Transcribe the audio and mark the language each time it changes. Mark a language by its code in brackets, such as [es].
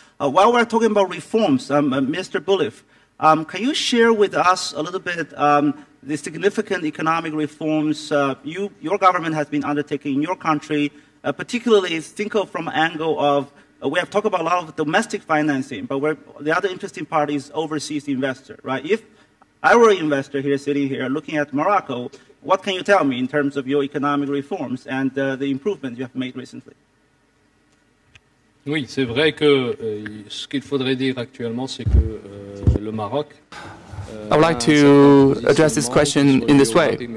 [en] While we're talking about reforms, Mr. Boulif, can you share with us a little bit the significant economic reforms your government has been undertaking in your country, particularly think of from angle of, we have talked about a lot of domestic financing, but the other interesting part is overseas investor, right? If I were an investor here sitting here looking at Morocco, what can you tell me in terms of your economic reforms and the improvements you have made recently? [fr] Oui, c'est vrai que ce qu'il faudrait dire actuellement, c'est que le Maroc. [en] I would like to address this question in this way.